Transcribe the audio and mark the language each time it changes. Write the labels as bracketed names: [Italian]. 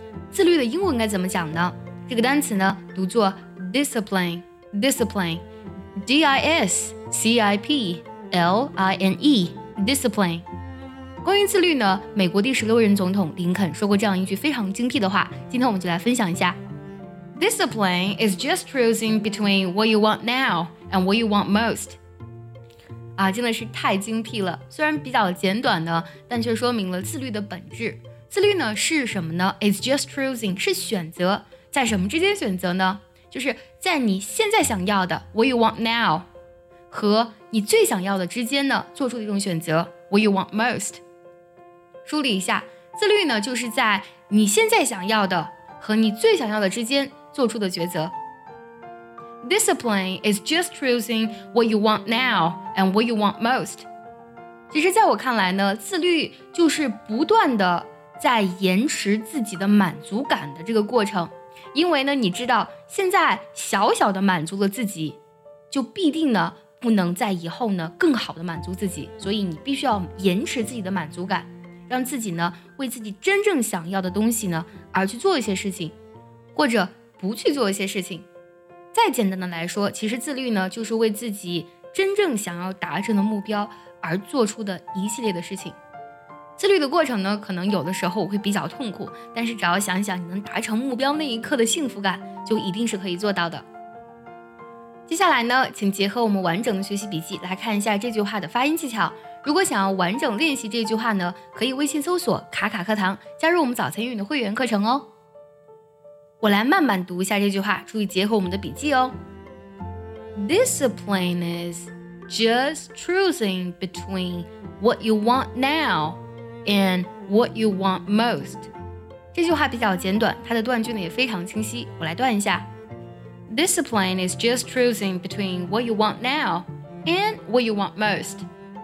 [Chinese] 自律的英文该怎么讲呢？这个单词呢，读作 discipline， D-I-S-C-I-P-L-I-N-E， discipline。关于自律呢，美国第16任总统林肯说过这样一句非常精辟的话，今天我们就来分享一下。 [English] Discipline is just choosing between what you want now and what you want most。 [Chinese] 啊，真的是太精辟了，虽然比较简短的，但却说明了自律的本质。自律呢是什么呢 ？ [English] It's just choosing， [Chinese] 是选择，在什么之间选择呢？就是在你现在想要的 ， [English] what you want now， [Chinese] 和你最想要的之间呢，做出的一种选择 ， [English] what you want most。 [Chinese] 梳理一下，自律呢就是在你现在想要的和你最想要的之间做出的抉择。 [English] Discipline is just choosing what you want now and what you want most。 [Chinese] 其实，在我看来呢，自律就是不断的。在延迟自己的满足感的这个过程，因为呢，你知道现在小小的满足了自己，就必定呢不能在以后呢更好的满足自己，所以你必须要延迟自己的满足感，让自己呢为自己真正想要的东西呢而去做一些事情，或者不去做一些事情。再简单的来说，其实自律呢就是为自己真正想要达成的目标而做出的一系列的事情。自律的过程呢，可能有的时候会比较痛苦，但是只要想想你能达成目标那一刻的幸福感，就一定是可以做到的。接下来呢，请结合我们完整的学习笔记来看一下这句话的发音技巧。如果想要完整练习这句话呢，可以微信搜索卡卡课堂，加入我们早餐英语的会员课程哦。我来慢慢读一下这句话，注意结合我们的笔记哦。 [English] Discipline is just choosing between what you want nowand what you want most. [Chinese] 这句话比较简短，它的断句呢也非常清晰，我来断一下。 [English] Discipline is just choosing between what you want now and what you want most.